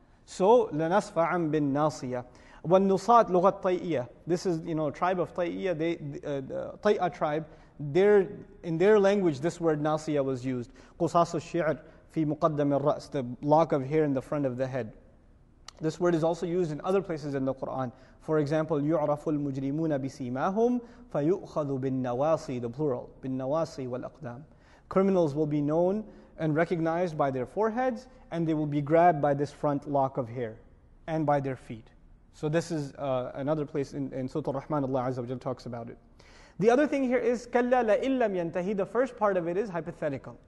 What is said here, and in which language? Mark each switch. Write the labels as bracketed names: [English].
[English] So, [Arabic] لَنَسْفَعَمْ بِالنَّاصِيَةِ وَالنُّصَاتِ لُغَةِ طَيْئِيَةِ [English] This is, you know, tribe of طَيْئِيَة, the طَيْئَة tribe. In their language, this word nasiya was used. [Arabic] قصاص الشعر في مقدم الرأس, [English] the lock of hair in the front of the head. This word is also used in other places in the Quran. For example, [Arabic] يعرف المجرمون بسيماهم فيؤخذ بالنواصي, [English] the plural, [Arabic] بالنواصي والأقدام. [English] Criminals will be known and recognized by their foreheads, and they will be grabbed by this front lock of hair, and by their feet. So this is another place in Surah Al-Rahman, Allah Azza wa Jalla talks about it. The other thing here is, [Arabic] كَلَّا لَإِنْ لَمْ يَنْتَهِي [English] The first part of it is hypothetical.